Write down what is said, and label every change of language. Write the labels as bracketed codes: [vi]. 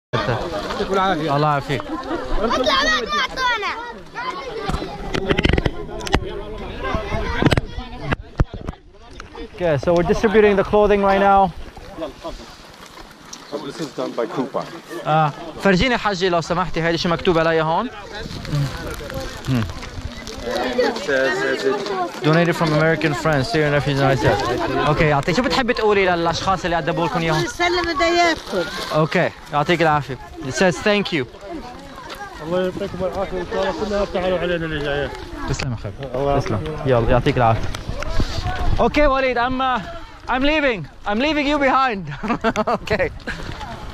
[ar] الله يعافيك. اطلع بعد اعطونا. [en] Okay, so we're distributing the clothing right now. This is done by Coupa. [ar] فرجيني حجي لو سمحتي هيدي شو مكتوب علي هون. [en] Donated from American friends, Syrian refugees and ISIS. [ar] Okay, عطيك شو بتحبي تقولي للأشخاص اللي أدبوا لكم اياهم؟ سلم هداياكم. [en] Okay, [ar] يعطيك العافية. [en] It says thank you. [ar] الله يعطيكم العافية وإن شاء الله كلها تعالوا علينا اللي جاية. تسلم يا خيي. تسلم. يلا يعطيك العافية. [en] Okay, Waleed, I'm leaving. I'm leaving you behind. Okay.